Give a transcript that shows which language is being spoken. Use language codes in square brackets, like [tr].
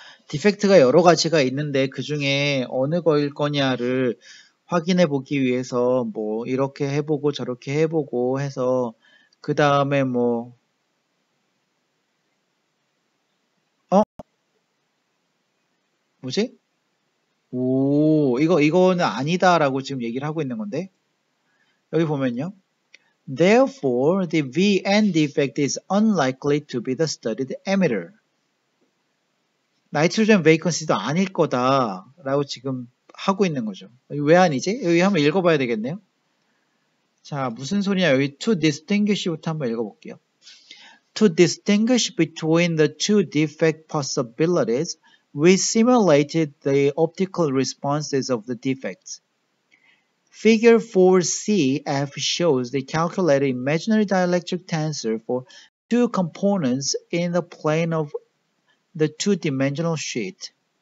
[ko] 디펙트가 여러 가지가 있는데 그 중에 어느 거일 거냐를 확인해 보기 위해서 뭐 이렇게 해보고 저렇게 해보고 해서 그 다음에 뭐 뭐지? 오, 이거는 아니다라고 지금 얘기를 하고 있는 건데. 여기 보면요. [en] Therefore, the VN defect is unlikely to be the studied emitter. [ko] 나이트로젠 베이컨시도 아닐 거다라고 지금 하고 있는 거죠. 여기 왜 아니지? 여기 한번 읽어봐야 되겠네요. 자, 무슨 소리냐. 여기 [en] to distinguish [ko] 부터 한번 읽어볼게요. [en] To distinguish between the two defect possibilities, we simulated the optical responses of the defects. Figure 4CF shows the calculated imaginary dielectric tensor for two components in the plane of the two-dimensional sheet.